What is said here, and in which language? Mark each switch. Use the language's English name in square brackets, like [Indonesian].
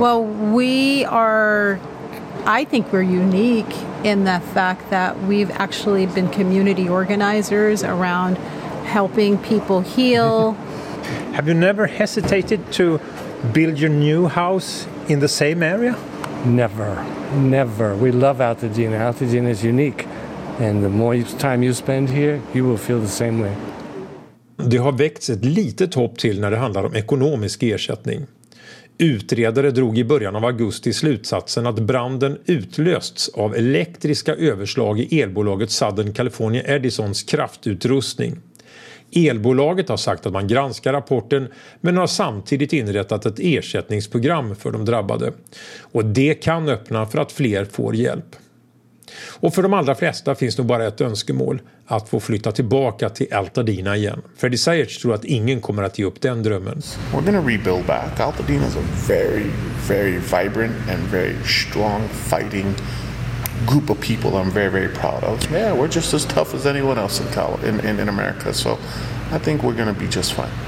[English] Well, I think we're unique in the fact that we've actually been community organizers around helping people heal. Have you never hesitated to build your new house in the same area? Never, never. We love Altadena. Altadena is unique. And the more time you spend here, you will feel the same way. [Swedish] Det har väckts ett litet hopp till när det handlar om ekonomisk ersättning. Utredare drog i början av augusti slutsatsen att branden utlösts av elektriska överslag i elbolaget Southern California Edisons kraftutrustning. Elbolaget har sagt att man granskar rapporten men har samtidigt inrättat ett ersättningsprogram för de drabbade. Och det kan öppna för att fler får hjälp. Och för de allra flesta finns nog bara ett önskemål, att få flytta tillbaka till Altadena igen. Freddy Sayers tror att ingen kommer att ge upp den drömmen. [English] We're going to rebuild back. Altadena is a very, very vibrant and very strong fighting group of people I'm very, very proud of. Yeah, we're just as tough as anyone else in America. So I think we're going to be just fine.